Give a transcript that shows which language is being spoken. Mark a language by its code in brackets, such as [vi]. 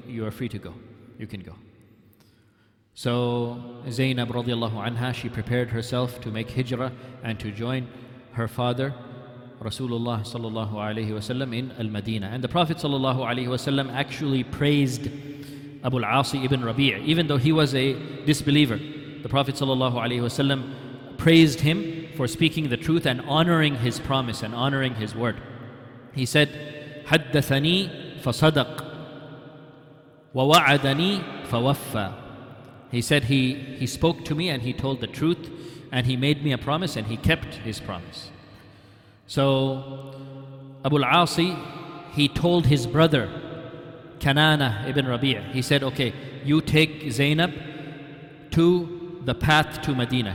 [en] You are free to go. You can go. So Zainab radiallahu anha, she prepared herself to make hijrah and to join her father, Rasulullah sallallahu alayhi wasallam, in al-Madinah. And the Prophet sallallahu alayhi wasallam actually praised Abu al-Asi ibn Rabi', even though he was a disbeliever. The Prophet sallallahu alayhi wasallam praised him for speaking the truth and honoring his promise and honoring his word. He said, [ar] حدثني فصدق ووعدني فوفى. [en] He said he spoke to me and he told the truth and he made me a promise and he kept his promise. So Abu al-Asi, he told his brother, Kanana ibn Rabi', he said, okay, you take Zainab to the path to Medina.